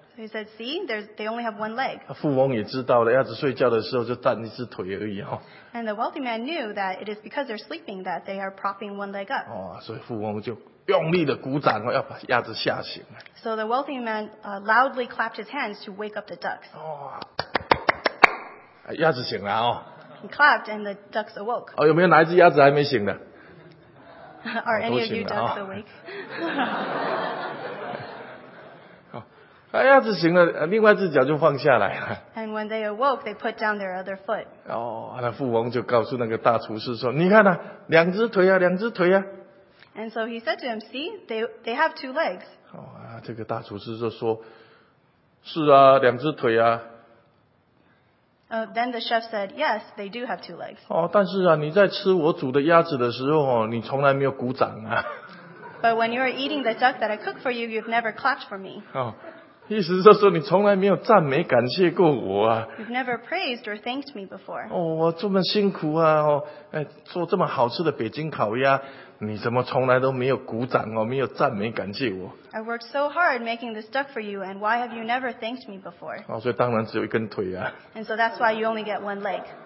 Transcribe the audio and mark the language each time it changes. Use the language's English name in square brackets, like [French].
[English] So he said, see, they only have one leg. [Chinese] 富翁也知道了，鸭子睡觉的时候就站一只腿而已 [English] And the wealthy man knew that it is because they're sleeping that they are propping one leg up. [Chinese] 所以富翁就用力的鼓掌要把鸭子吓醒。 [English] So the wealthy man loudly clapped his hands to wake up the ducks. [Chinese] 鸭子醒了 [English] He clapped and the ducks awoke. [Chinese] 有没有哪一只鸭子还没醒的？ [English] Are any of you ducks awake? [Chinese] 鸭子醒了，另外一只脚就放下来了。 [English] And when they awoke, they put down their other foot. [Chinese] 那富翁就告诉那个大厨师说：“你看两只腿两只腿 [English] And so he said to him, "See, they have two legs." [Chinese] 这个大厨师就说：“是两只腿 [English] Then the chef said, "Yes, they do have two legs." [Chinese] 但是你在吃我煮的鸭子的时候你从来没有鼓掌 [English] But when you are eating the duck that I cook for you, you've never clapped for me. [Chinese] 意思就是说你从来没有赞美感谢过我 [English] You've never praised or thanked me before. [Chinese] 我这么辛苦做这么好吃的北京烤鸭，你怎么从来都没有鼓掌没有赞美感谢我 [English] ？I worked so hard making this duck for you, and why have you never thanked me before? [Chinese] 所以当然只有一根腿 [English] And so that's why you only get one leg.